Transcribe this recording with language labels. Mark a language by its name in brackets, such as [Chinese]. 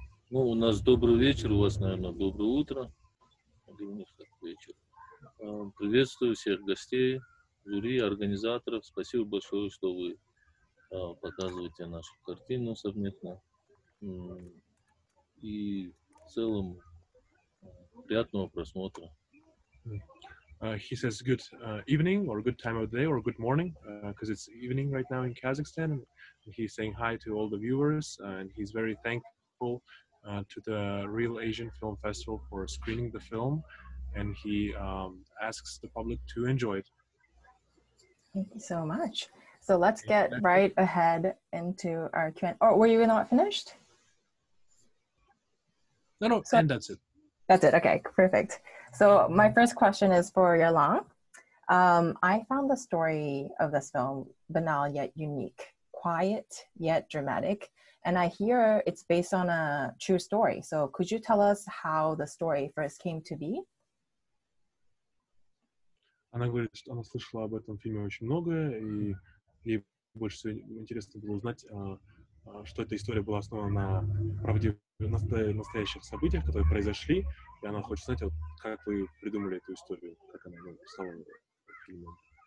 [Russian] Ну, у нас добрый вечер, у вас, наверное, доброе утро. Для меня так вечер. Приветствую всех гостей, жюри, организаторов. Спасибо большое, что вы показываете нашу картину совместно. И в целом приятного просмотра. [English] He says good evening or good time of day or good morning because it's evening right now in Kazakhstan. He's saying hi to all the viewers and he's very thankful to the Real Asian Film Festival for screening the film and he asks the public to enjoy it. Thank you so much. So let's get right ahead into our Q&A. Oh, were you not finished? No, so, and that's it. That's it, okay, perfect. So my first question is for Yerlan. I found the story of this film banal yet unique, quiet yet dramatic, and I hear it's based on a true story. So could you tell us how the story first came to be? [Russian] Она говорит, что она слышала об этом фильме очень много, и ей больше всего интересно было узнать, что эта история была основана на настоящих событиях, которые произошли, и она хочет знать, вот, как вы придумали эту историю, как она стала фильмом.